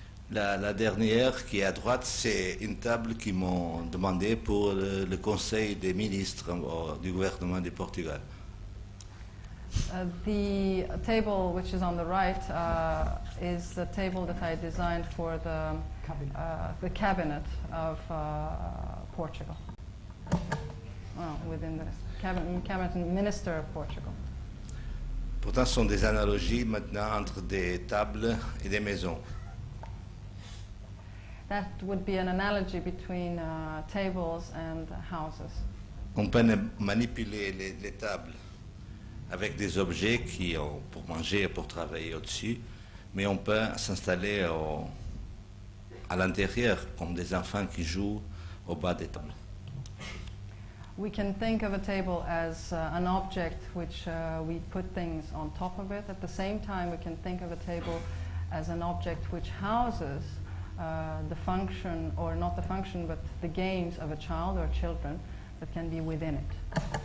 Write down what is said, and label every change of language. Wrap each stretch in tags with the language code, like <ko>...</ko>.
<fr>La dernière qui est à droite, c'est une table qu'ils m'ont demandé pour le Conseil des ministres du gouvernement du Portugal.</fr> <en>The table which is on the right is the table that I designed for the cabinet of Portugal. Well, within the cabinet minister of Portugal.</en> <fr>Pourtant, ce sont des analogies maintenant entre des tables et des maisons.</fr> <en>That would be an analogy between tables and houses.</en> <fr>On peut manipuler les tables avec des objets qui ont pour manger et pour travailler au-dessus, mais on peut s'installer à l'intérieur comme des enfants qui jouent au bas des tables.</fr> <en>We can think of a table as an object which we put things on top of it. At the same time, we can think of a table as an object which houses the function, or not the function, but the games of a child or children that can be within it.</en>